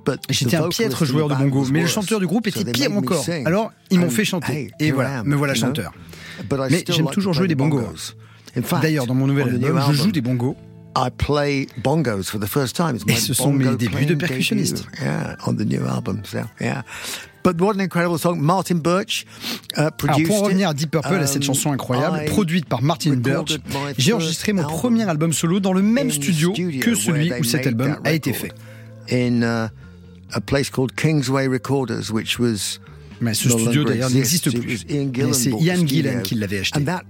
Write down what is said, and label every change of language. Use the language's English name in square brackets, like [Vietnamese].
[French] J'étais un piètre joueur de bongos, mais le chanteur du groupe était pire encore. Alors ils m'ont fait chanter, et voilà, me voilà chanteur. Mais j'aime toujours jouer des bongos. D'ailleurs, dans mon nouvel album, je joue des bongos. [English] I play bongos for the first time. [French] Et ce sont mes débuts de percussionniste. [English] Yeah, on the new album. So, yeah. But what an incredible song. Martin Birch produced. [French] Alors, pour revenir à Deep Purple, à cette chanson incroyable, produite par Martin Birch, j'ai enregistré mon premier album solo dans le même studio que celui où cet album a été fait. [English] In a place called Kingsway Recorders, which was. [French] Mais ce studio d'ailleurs n'existe plus. Mais c'est Ian Gillan qui l'avait acheté.